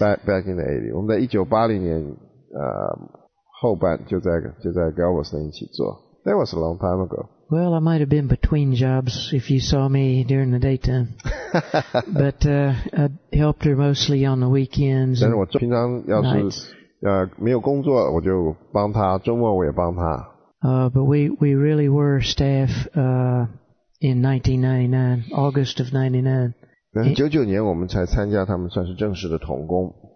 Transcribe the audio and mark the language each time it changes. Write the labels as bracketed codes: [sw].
[en] Back in the 80s. [zh] 我们在1980年后半就在 Galveston 一起做。 [en] That was a long time ago. Well, I might have been between jobs if you saw me during the daytime. But I helped her mostly on the weekends. [zh] 但是我平常要是没有工作我就帮她，周末我也帮她。 [en] But we really were staff in 1999, August of 99. [zh] 99年我们才参加他们算是正式的同工。